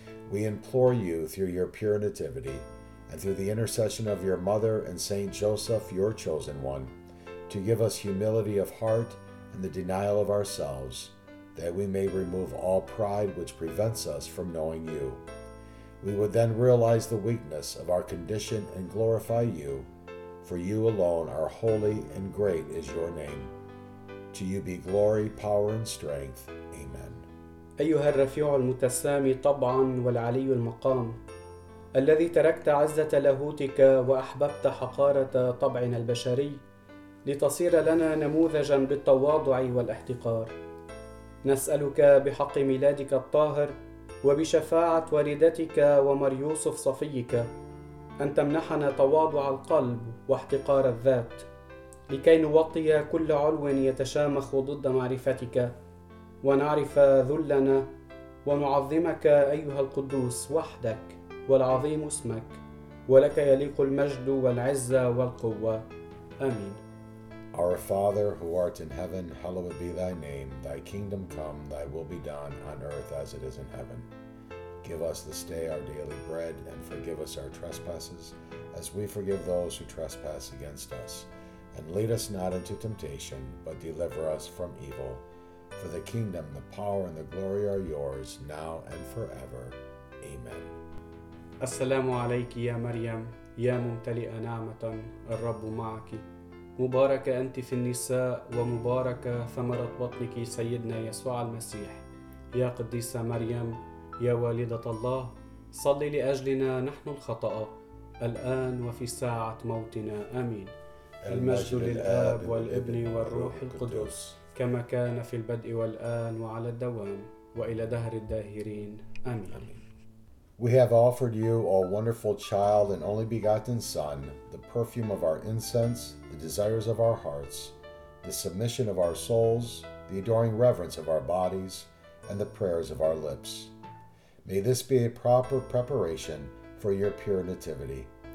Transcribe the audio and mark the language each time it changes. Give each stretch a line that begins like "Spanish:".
English: We implore you through your pure nativity and through the intercession of your mother and Saint Joseph, your chosen one, to give us humility of heart and the denial of ourselves, that we may remove all pride which prevents us from knowing you. We would then realize the weakness of our condition and glorify you, for you alone are holy and great is your name. To you be glory, power, and strength. Amen.
Arabic: أيها الرفيع المتسامي طبعا والعلي المقام الذي تركت عزة لاهوتك وأحببت حقارة طبعنا البشري لتصير لنا نموذجا بالتواضع والاحتقار، نسألك بحق ميلادك الطاهر وبشفاعة والدتك ومار يوسف صفيك أن تمنحنا تواضع القلب واحتقار الذات لكي نوطي كل علو يتشامخ ضد معرفتك ونعرف ذلنا ونعظمك أيها القدوس وحدك والعظيم اسمك ولك يليق المجد والعزة والقوة. آمين.
English: Our Father, who art in heaven, hallowed be thy name. Thy kingdom come, thy will be done, on earth as it is in heaven. Give us this day our daily bread, and forgive us our trespasses, as we forgive those who trespass against us. And lead us not into temptation, but deliver us from evil. For the kingdom, the power, and the glory are yours, now and forever. Amen.
Arabic: Assalamu alayki ya Maryam, ya mumtali'a na'matan, al-Rabbu ma'aki. مباركة أنت في النساء ومباركة ثمرة بطنك سيدنا يسوع المسيح. يا قديسة مريم يا والدة الله صلي لأجلنا نحن الخطأ الآن وفي ساعة موتنا. آمين. المجد للآب والابن والروح القدس كما كان في البدء والآن وعلى الدوام وإلى دهر الداهرين. آمين.
English: We have offered you, O wonderful child and only begotten Son, the perfume of our incense, the desires of our hearts, the submission of our souls, the adoring reverence of our bodies, and the prayers of our lips. May this be a proper preparation for your pure nativity.